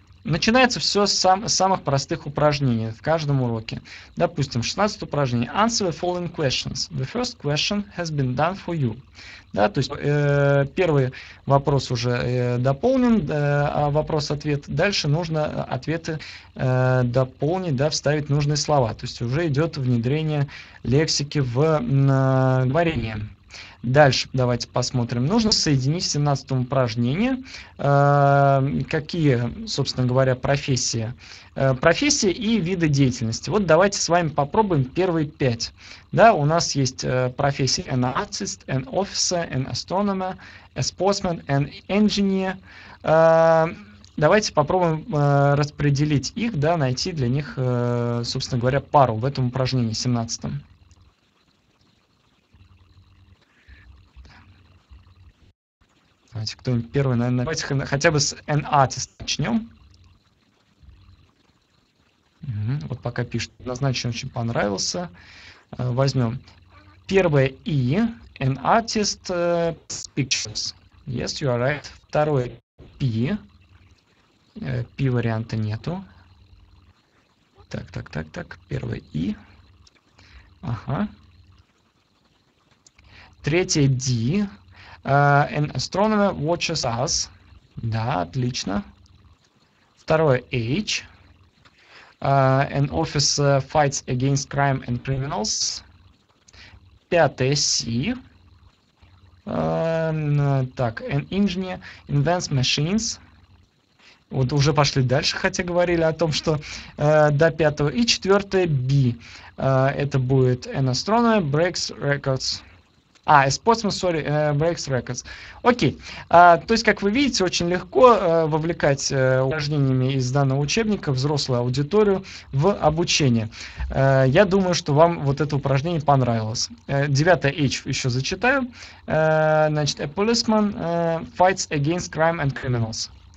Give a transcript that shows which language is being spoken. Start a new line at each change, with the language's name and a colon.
Russian: Начинается все с самых простых упражнений в каждом уроке. Допустим, 16 упражнений.
English: Answer the following questions. The first question has been done for you.
Russian: Да, то есть первый вопрос уже дополнен, вопрос-ответ. Дальше нужно ответы дополнить, да, вставить нужные слова. То есть уже идет внедрение лексики в говорение. Дальше давайте посмотрим. Нужно соединить в 17 упражнении, какие, собственно говоря, профессии и виды деятельности. Вот давайте с вами попробуем первые 5. Да, у нас есть профессии
English: an artist, an officer, an astronomer, a sportsman, an engineer.
Russian: Давайте попробуем распределить их, да, найти для них, собственно говоря, пару в этом упражнении 17. Давайте кто-нибудь первый, наверное. Давайте хотя бы с
English: an artist
Russian: начнем. пока пишет. Однозначно очень понравился. Возьмем. Первое
English: «и» – «an artist pictures». Yes, you are right.
Russian: Второе «пи». «Пи» варианта нету. Так, так, так, так. Первое «и». Ага. Третье «ди».
English: «An astronomer watches us».
Russian: Да, отлично. Второе «h».
English: «An officer fights against crime and criminals».
Russian: Пятое «c». Так,
English: «an engineer invents machines».
Russian: Вот уже пошли дальше, хотя говорили о том, что до пятого. И четвертое «b». Это будет
English: «an astronomer breaks records».
Russian: А,
English: «sportsman», sorry, «breaks records».
Russian: Окей. То есть, как вы видите, очень легко вовлекать упражнениями из данного учебника взрослую аудиторию в обучение. Я думаю, что вам вот это упражнение понравилось. Девятое «h» еще зачитаю. Значит,
English: «a policeman fights against crime and criminals».